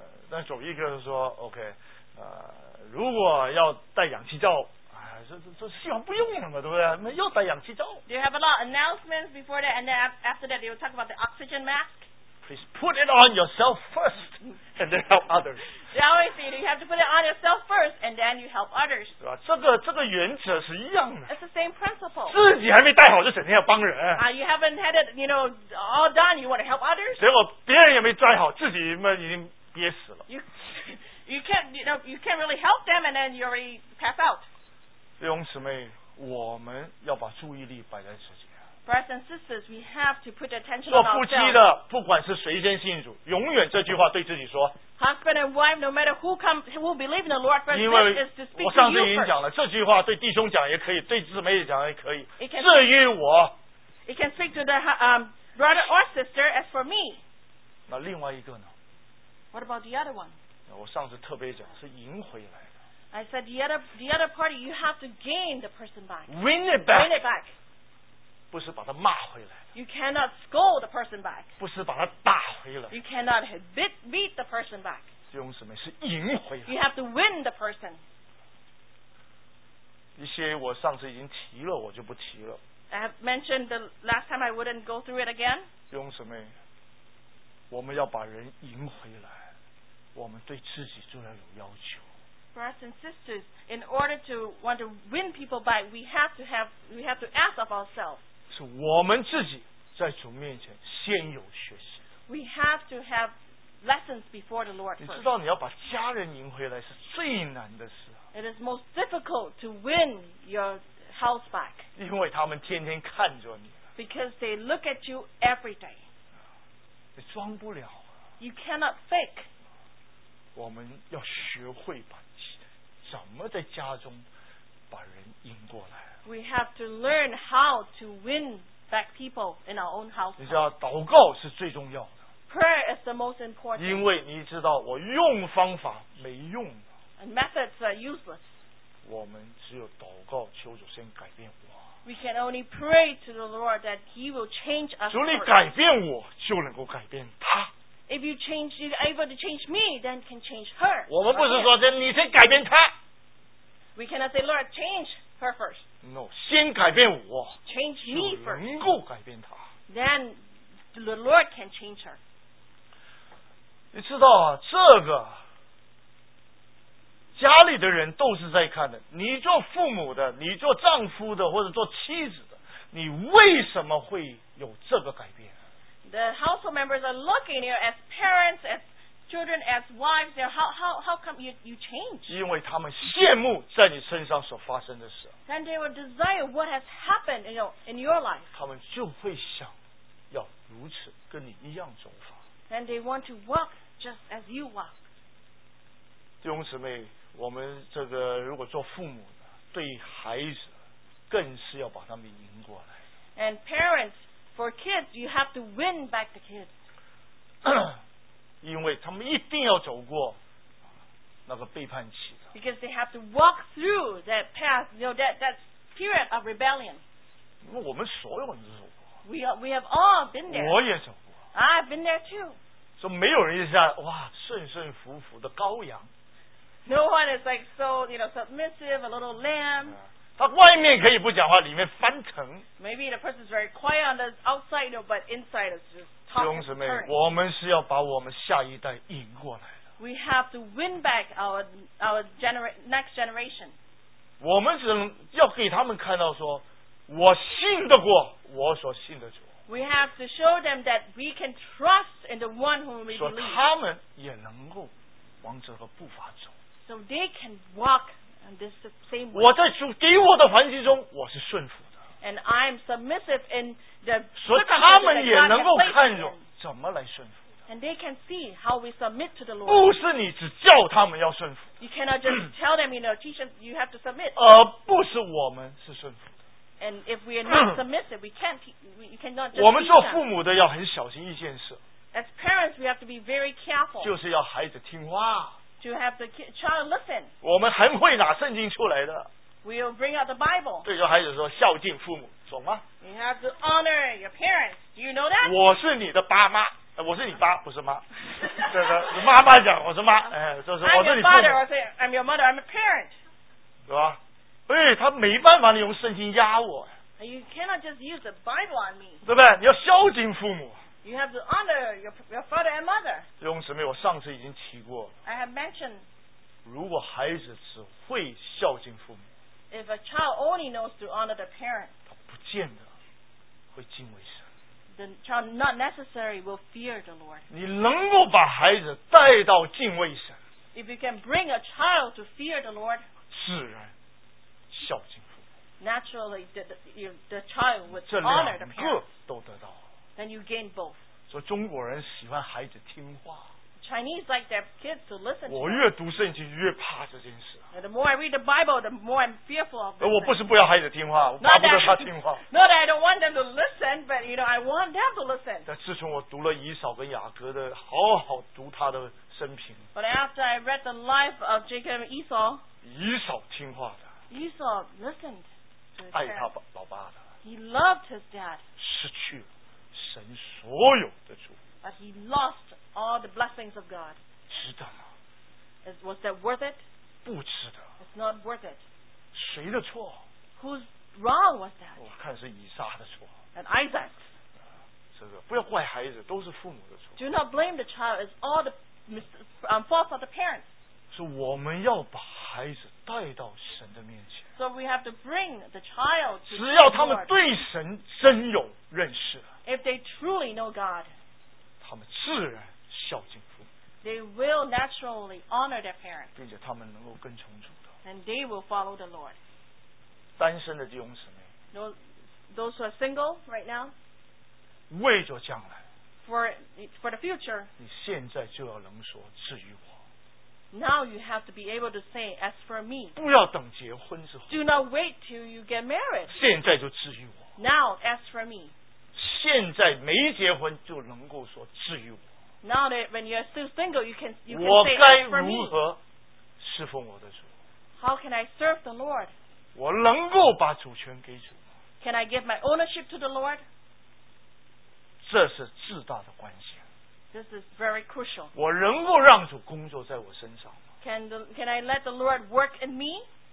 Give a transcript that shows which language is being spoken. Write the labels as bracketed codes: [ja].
[zh] 但总一个是说 ，OK， 如果要戴氧气罩，这希望不用了嘛，对不对？那要戴氧气罩。 [en] They have a lot of announcements before that, and then after that, they would talk about the oxygen mask. Please put it on yourself first, and then help others. They always say you have to put it on yourself first, and then you help others. [zh] 对吧？这个原则是一样的。 [en] It's the same principle. [zh] 自己还没带好，就整天要帮人。 [en] You haven't had it, you know, all done. You want to help others. [zh] 结果别人也没带好，自己嘛已经憋死了。 [en] You can't really help them, and then you already pass out. [zh] 弟兄姊妹，我们要把注意力摆在自己。 [en] Brothers and sisters, we have to put attention on ourselves. [zh] 做夫妻的，不管是谁先信主，永远这句话对自己说。 [en] Husband and wife, no matter who come, who believe in the Lord, first, this is to speak to you first. [zh] 我上次已经讲了，这句话对弟兄讲也可以，对姊妹讲也可以。至于我 [en] ，It can speak to the brother or sister. As for me, [zh] 那另外一个呢 [en] ？What about the other one? [zh] 我上次特别讲是赢回来的。 [en] I said the other party, you have to gain the person back. Win it back. Win it back. [zh] 不是把他骂回来。 [en] You cannot scold the person back. [zh] 不是把他打回来。 [en] You cannot beat the person back. [zh] 弟兄姊妹，是赢回来。 [en] You have to win the person. [zh] 一些我上次已经提了，我就不提了。 [en] I have mentioned the last time I wouldn't go through it again. [zh] 弟兄姊妹，我们要把人赢回来，我们对自己就要有要求。 [en] Brothers and sisters, in order to want to win people back, we have to ask of ourselves. [zh] 是我们自己在主面前先有学习。 [en] We have to have lessons before the Lord. [zh] 你知道你要把家人赢回来是最难的事。 [en] It is most difficult to win your house back. [zh] 因为他们天天看着你。 [en] Because they look at you every day. [zh] 你装不了。 [en] You cannot fake. [zh] 我们要学会吧。怎么在家中把人赢过来？ [en] We have to learn how to win affect people in our own household. [zh] 你知道，祷告是最重要的。 [en] Prayer is the most important. [zh] 因为你知道，我用方法没用的。 [en] And methods are useless. [zh] 我们只有祷告，求主先改变我。 [en] We can only pray to the Lord that He will change us. [zh] 主，你改变我，就能够改变他。 [en] If you change, you're able to change me, then can change her. [zh] 我们不是说先，你先改变他。 [en] We cannot say, Lord, change her first. No, [zh] 先改变我。 [en] Change me first. [zh] 能够改变他。 [en] Then the Lord can change her. [zh] 你知道这个家里的人都是在看的。你做父母的，你做丈夫的，或者做妻子的，你为什么会有这个改变？ [en] The household members are looking at you as parents, as children, as wives. How come you change? [zh] 因为他们羡慕在你身上所发生的事。 [en] Then they will desire what has happened, you know, in your life. [zh] 他们就会想要如此跟你一样走法。 [en] Then they want to walk just as you walk. [zh] 弟兄姊妹，我们这个如果做父母的，对孩子更是要把他们赢过来。 [en] And parents. For kids, you have to win back the kids. [zh] 因为他们一定要走过那个背叛期的。 [en] Because they have to walk through that path, you know, that period of rebellion. [zh] 因为我们所有人都走过。 [en] We have all been there. [zh] 我也走过。 [en] I've been there too. [zh] 所以没有人像哇顺顺服服的羔羊。 [en] No one is like so, you know, submissive, a little lamb. Yeah. [zh] 他外面可以不讲话，里面翻腾。 [en] Maybe the person is very quiet on the outside, no, but inside is just talking. [zh] 弟兄姊妹，我们是要把我们下一代赢过来的。 [en] We have to win back our next generation. [zh] 我们只能要给他们看到说，我信得过我所信的主。 [en] We have to show them that we can trust in the one whom we believe. [zh] 说他们也能够往这个步伐走。 [en] So they can walk. And this is the same way. [zh] 我在主给我的环境中，我是顺服的。 [en] And I'm submissive in the. [zh] 所以他们也能够看出怎么来顺服的。 [en] And they can see how we submit to the Lord. [zh] 不是你只叫他们要顺服。 [en] You cannot just tell them, you know, teach them you have to submit. [zh] 而不是我们是顺服的。 [en] And if we are not submissive, we can't. We cannot just. [zh] 我们做父母的要很小心一件事。 [en] As parents, we have to be very careful. [zh] 就是要孩子听话。 [en] To have the child listen. [zh] 我们很会拿圣经出来的。 [en] We'll bring out the Bible. [zh] 对着孩子说孝敬父母，懂吗？ [en] You have to honor your parents. Do you know that? [zh] 我是你的爸妈，我是你爸，不是妈。这个是妈妈讲，我是妈，哎，就是我是你父母。 [en] I'm your father. I'm your mother. I'm a parent. [zh] 对吧？哎，他没办法，你用圣经压我。 [en] You cannot just use the Bible on me. [zh] 对不对？你要孝敬父母。 [en] You have to honor your father and mother. [zh] 弟兄姊妹，我上次已经提过。 [en] I have mentioned. [zh] 如果孩子只会孝敬父母。 [en] If a child only knows to honor the parent. [zh] 他不见得会敬畏神。 [en] The child not necessarily will fear the Lord. [zh] 你能够把孩子带到敬畏神。 [en] If you can bring a child to fear the Lord. [zh] 自然孝敬父母。 [en] Naturally, the child would honor the parent. [zh] 这两个都得到。 [en] And you gain both. [zh] 所以中国人喜欢孩子听话。 [en] Chinese like their kids to listen. [zh] 我越读圣经越怕这件事。 [en] The more I read the Bible, the more I'm fearful of. [zh] 我不是不要孩子听话，我巴不得他听话。 [en] Not that I don't want them to listen, but you know I want them to listen. [zh] 但自从我读了以扫跟雅各的，好好读他的生平。 [en] But after I read the life of Jacob and Esau. [zh] 以扫听话的。 [en] Esau listened. [zh] 爱他老爸的。 [en] He loved his dad. [zh] 失去了。神所有的主 [en] But he lost all the blessings of God. [zh] 值得吗 [en] Was that worth it? [zh] 不值得 [en] It's not worth it. [zh] 谁的错 [en] Whose wrong was that? [zh] 我看是以撒的错 [en] And Isaac. [zh] 这个不要怪孩子都是父母的错 [en] Do not blame the child. It's all the faults of the parents. [zh] 是我们要把孩子带到神的面前 [en] So we have to bring the child to God. [zh] 只要他们对神真有认识了 [en] If they truly know God, [zh] 他们自然孝敬父母。 [en] They will naturally honor their parents, [zh] 并且他们能够跟从主的。 [en] And they will follow the Lord. [zh] 单身的弟兄姊妹。 [en] Those who are single right now, [zh] 为着将来。 [en] For the future, [zh] 你现在就要能说至于我。 [en] Now you have to be able to say, as for me, [zh] 不要等结婚之后。 [en] Do not wait till you get married. [zh] 现在就至于我。 [en] Now, as for me. [zh] 现在没结婚就能够说至于我。 [en] Now that when you are still single, you can say, [zh] 我该如何侍奉我的主？ [en] How can I serve the Lord? [zh] 我能够把主权给主？ [en] Can I give my ownership to the Lord? [zh] 这是至大的关键。 [en] This is very crucial. [zh] 我能够让主工作在我身上？ [en] Can I let the Lord work in me?